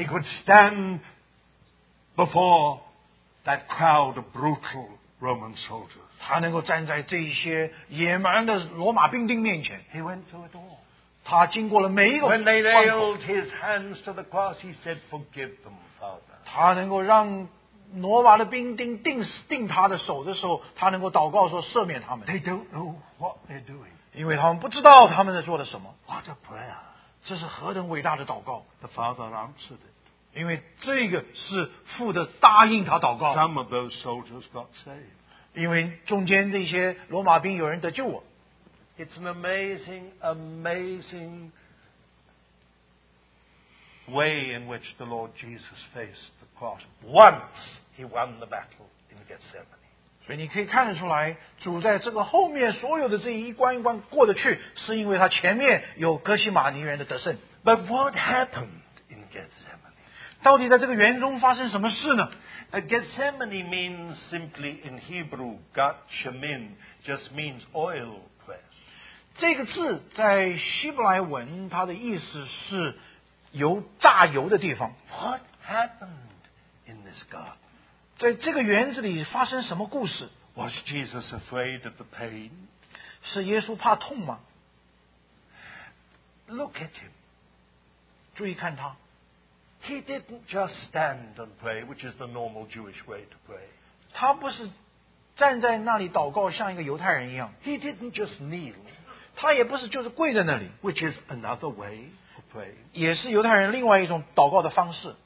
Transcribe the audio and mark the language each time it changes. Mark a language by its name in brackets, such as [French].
[English] He could stand before that crowd of brutal Roman soldiers. [Chinese] 他能够站在这些野蛮的罗马兵丁面前 [English] He went through it all. [Chinese] 他经过了每一个 [English] When they nailed his hands to the cross, he said, Forgive them, Father. [Chinese] 他能够让罗马的兵丁钉他的手的时候，他能够祷告说赦免他们 [English] They don't know what they're doing. [Chinese] 因为他们不知道他们在做的什么。 [English] What a prayer. [Chinese] 这是何等伟大的祷告。 [English] The Father answered it. [Chinese] 因为这个是父的答应他祷告。 [English] Some of those soldiers got saved. [Chinese] 因为中间这些罗马兵有人得救我。 [English] It's an amazing, amazing way in which the Lord Jesus faced the cross. Once he won the battle in Gethsemane. [Chinese] 所以你可以看得出来，主在这个后面所有的这一关一关过得去，是因为他前面有哥西马尼园的得胜。 [English] But what happened in Gethsemane? [Chinese] 到底在这个园中发生什么事呢？ [English] Gethsemane means simply in Hebrew, Gat Shemin, just means oil press. [Chinese] 这个字在希伯来文它的意思是油榨油的地方。 [English] What happened in this garden? [Chinese] 在这个园子里发生什么故事 [English] ？Was Jesus afraid of the pain？ [Chinese] 是耶稣怕痛吗 [English] ？Look at him， [Chinese] 注意看他。 [English] He didn't just stand and pray， which is the normal Jewish way to pray。 [Chinese] 他不是站在那里祷告，像一个犹太人一样。 [English] He didn't just kneel， [Chinese] 他也不是就是跪在那里 [English] ，which is another way to pray， [Chinese] 也是犹太人另外一种祷告的方式。